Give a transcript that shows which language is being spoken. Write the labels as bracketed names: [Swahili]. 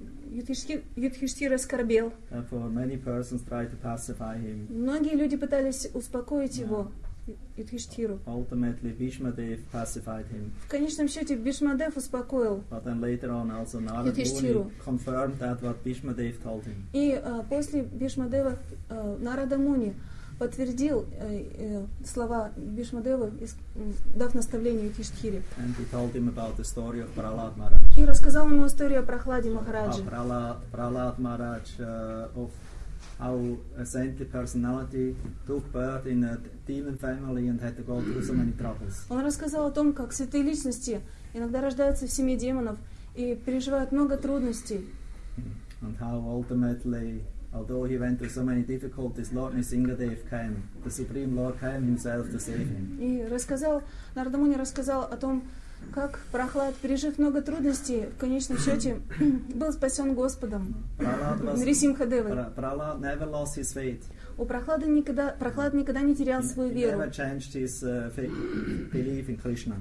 [Russian] Юдхиштхир оскорбел. Многие люди пытались успокоить его. [English] Ultimately, Bhishmadev pacified him. [Russian] В конечном счете Бишмадев успокоил. [English] But then later on, also Narada Muni confirmed that what Bishmadev told him. [Russian] И после Бишмадева Нарада Муни подтвердил слова Бишмадева, дав наставление Юдхиштхире. [English] And he told him about the story of Prahlad Maharaj. [Russian] И рассказал ему историю о Прохладе Махараджи. [English] Prahlad Maharaj of how a saintly personality took birth in a demon family and had to go through so many troubles. [Russian] Он рассказал о том, как святые личности иногда рождаются в семье демонов и переживают много трудностей. [English] And how ultimately, although he went through so many difficulties, Lord Nrisimhadev came, the Supreme Lord came himself to save him. [Russian] И рассказал, Нарада Муни рассказал о том, как Прохлад, пережив много трудностей, в конечном счете был спасен Господом. Нрисимхадевой. [English] Prahlad never lost his faith. [Russian] У Прохлада никогда, Прохлад никогда не терял свою веру. [English] He never changed his belief in Krishna.